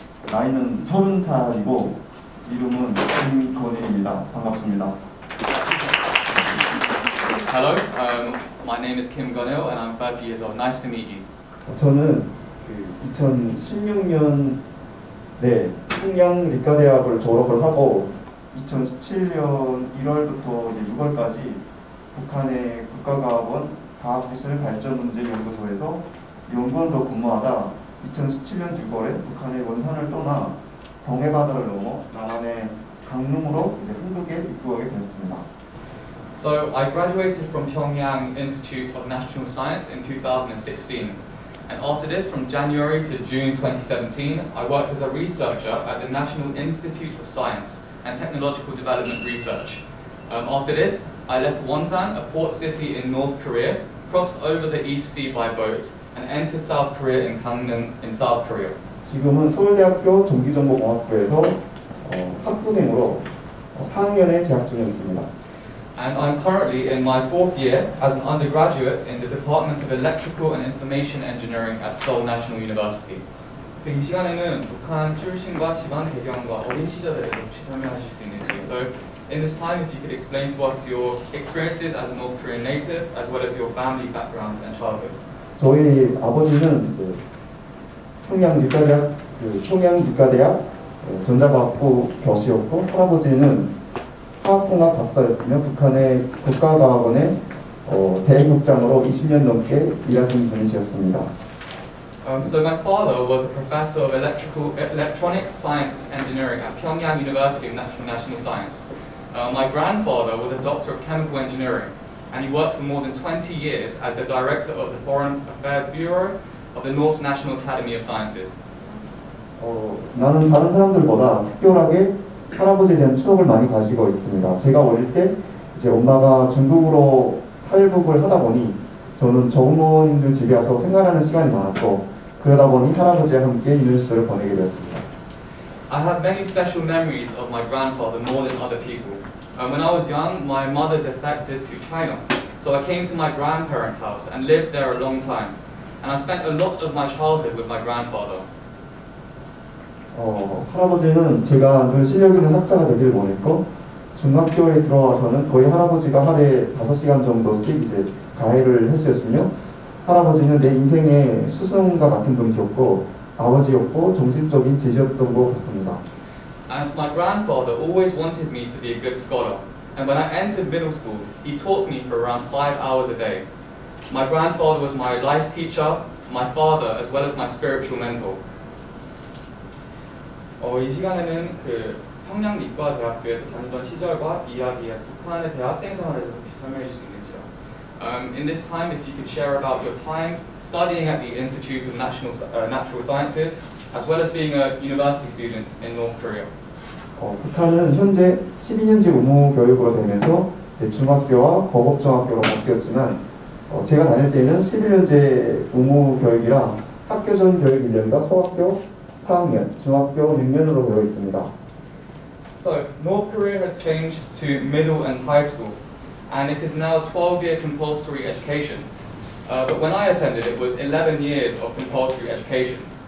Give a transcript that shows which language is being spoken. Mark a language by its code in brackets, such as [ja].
[ko] 나이는 서른 살이고 이름은 김건일입니다. 반갑습니다. [en] Hello, my name is Kim Geon-il and I'm 30 years old. Nice to meet you. [ko] 저는 2016년 네, 평양 리카대학을 졸업을 하고 2017년 1월부터 이제 6월까지 북한의 국가과학원 과학기술 발전 문제 연구소에서 연구원으로 근무하다 2017년 6월에 북한의 원산을 떠나 동해바다를 넘어 남한의 강릉으로 이제 한국에 입국하게 되었습니다. [en] So I graduated from Pyongyang Institute of National Science in 2016. And after this, from January to June 2017, I worked as a researcher at the National Institute of Science and Technological Development Research. After this, I left Wonsan, a port city in North Korea, crossed over the East Sea by boat, and entered South Korea in Gangnam in South Korea. [ko] 지금은 서울대학교 전기정보공학부에서 학부생으로 4학년에 재학 중에 있습니다. [en] And I'm currently in my fourth year as an undergraduate in the Department of Electrical and Information Engineering at Seoul National University. [ko] 지금 이 시간에는 북한 출신과 집안 배경과 어린 시절에 대해서 혹시 설명하실 수 있는지. [en] So in this time, if you could explain to us your experiences as a North Korean native, as well as your family background and childhood. [ko] 저희 아버지는 그 평양 리카대학 전자과학부 교수였고 할아버지는 화학공학 박사였으며 북한의 국가과학원의 대국장으로 20년 넘게 일하신 분이셨습니다. [en] So my father was a professor of electronic science engineering at Pyongyang University of National Science. My grandfather was a doctor of chemical engineering, and he worked for more than 20 years as the director of the Foreign Affairs Bureau of the North National Academy of Sciences. [ko] 나는 다른 사람들보다 특별하게 할아버지에 대한 추억을 많이 가지고 있습니다. 제가 어릴 때 이제 엄마가 중국으로 탈북을 하다 보니 저는 조부모님들 집에 와서 생활하는 시간이 많았고 그러다 보니 할아버지와 함께 유년 시절을 보내게 되었습니다. [en] I have many special memories of my grandfather more than other people. When I was young, my mother defected to China. So I came to my grandparents' house and lived there a long time. And I spent a lot of my childhood with my grandfather. [ko] 할아버지는 제가 늘 실력 있는 학자가 되기를 원했고 중학교에 들어와서는 거의 할아버지가 하루에 5시간 정도씩 이제 가해를 해주셨으며 할아버지는 내 인생의 스승과 같은 분이었고 아버지였고 정신적인 지지였던 것 같습니다. [en] And my grandfather always wanted me to be a good scholar. And when I entered middle school, he taught me for around 5 hours a day. My grandfather was my life teacher, my father, as well as my spiritual mentor. [ko] 이 시간에는 평양 리과대학교에서 다니던 시절과 이야기에 북한의 대학생 생활에 대해서 혹시 설명해 주실 수 있는지요? [en] In this time, if you could share about your time studying at the Institute of Natural Sciences, as well as being a university student in North Korea. [ko] 북한은 현재 12년제 의무 교육으로 되면서 중학교와 고급중학교로 바뀌었지만 제가 다닐 때는 11년제 의무 교육이랑 학교 전 교육 1년과 소학교 4학년, 중학교 6년으로 되어 있습니다. [en] So, North Korea has changed to middle and high school, and it is now 12-year compulsory education. But when I attended, it was 11 years of compulsory education.